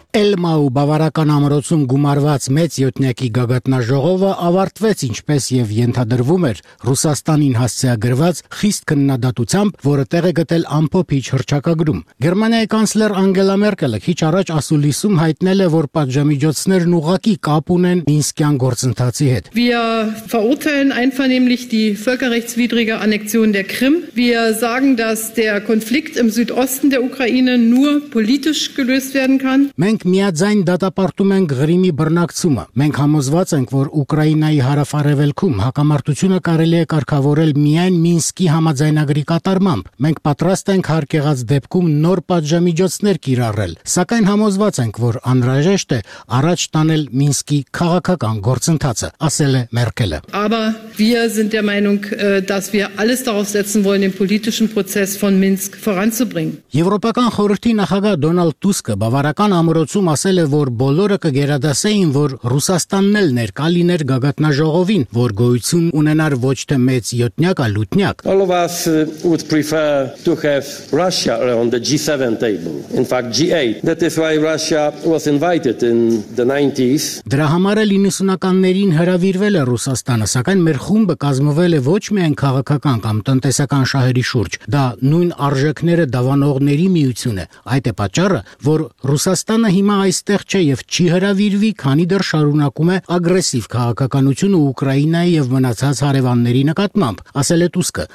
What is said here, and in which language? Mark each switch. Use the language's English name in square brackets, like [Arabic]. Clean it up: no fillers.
[Armenian] Էլմաու բավարական ամրոցում գումարված 6-ոտնյակի գագաթնաժողովը ավարտվեց, ինչպես և ենթադրվում էր, Ռուսաստանին հասցեագրված խիստ քննադատությամբ, որը տեղ է գտել ամփոփիչ հռչակագրում։ Գերմանիայի կանցլեր Անգելա Մերկելը քիչ առաջ ասուլիսում հայտնել է, որ պատժամիջոցներն ուղղակի կապ ունեն Մինսկյան գործընթացի հետ։ [German] Wir verurteilen einvernehmlich die völkerrechtswidrige Annexion der Krim. Wir sagen, dass der Konflikt im Südosten der Ukraine nur politisch gelöst werden kann. [Armenian] Մենք միաձայն դատապարտում ենք Ղրիմի բռնակցումը։ Մենք համոզված ենք, որ Ուկրաինայի հարավարևելքում հակամարտությունը կարելի է կարգավորել միայն Մինսկի համաձայնագրի կատարմամբ։ Մենք պատրաստ ենք հարկեղած դեպքում նոր պատժամիջոցներ կիրառել, սակայն համոզված ենք, որ անհրաժեշտ է առաջ տանել Մինսկի քաղաքական գործընթացը, ասել է Մերկելը։ [German] Aber wir sind der Meinung, dass wir alles darauf setzen wollen, den politischen Prozess von Minsk voranzubringen. [Armenian] Եվրոպական խորհրդի նախագահ Դոնալդ Տուսկը բավարարական ամրոց հաղորդեցում ասել է, որ բոլորը կգերադասեին, որ Ռուսաստանն էլ ներկա լիներ գագաթնաժողովին, որ գոյություն ունենար ոչ թե մեծ յոթնյակ, այլ ութնյակ. [English] All of us would prefer to have Russia around the G7 table, in fact G8. That is why Russia was invited in the 90s. [Armenian] Դրա համար է 90-ականներին հրավիրվել է Ռուսաստանը, սակայն մեր խումբը կազմվել է ոչ միայն քաղաքական կամ տնտեսական շահերի շուրջ, դա նույն արժեքները դավանողների միություն է, այդ է պատճառը, որ Ռուսաստանը հիմա այստեղ չէ եւ չի հրավիրվի, քանի դեռ շարունակում է ագրեսիվ քաղաքականությունը Ուկրաինայի եւ մնացած հարևանների նկատմամբ, ասել է Տուսկը։